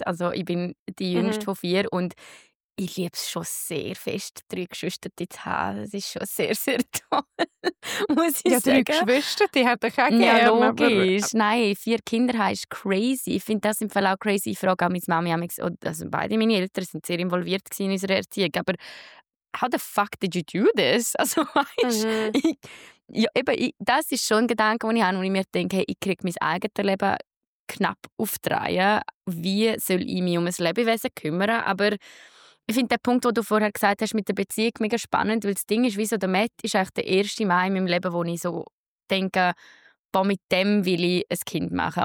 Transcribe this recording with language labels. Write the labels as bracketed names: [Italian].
[German] Also ich bin die jüngste von 4 und ich liebe es schon sehr fest, 3 Geschwister zu haben. Das ist schon sehr, sehr toll, muss ich ja, sagen. Ja, 3 Geschwister, die hätte ich auch gerne. Ja, logisch. Aber nein, 4 Kinder haben ist crazy. Ich finde das im Fall auch crazy. Ich frage auch meine Mami, also beide meine Eltern waren sehr involviert in unserer Erziehung. Aber [English] how the fuck did you do this? [German] Also weißt du, das ist schon ein Gedanke, den ich habe, wo ich mir denke, hey, ich kriege mein eigenes Leben knapp auf die Reihe. Wie soll ich mich um ein Lebewesen kümmern? Aber ich finde den Punkt, den du vorher gesagt hast, mit der Beziehung mega spannend, weil das Ding ist, wieso der Matt ist eigentlich der erste Mal in meinem Leben, wo ich so denke, boah, mit dem will ich ein Kind machen.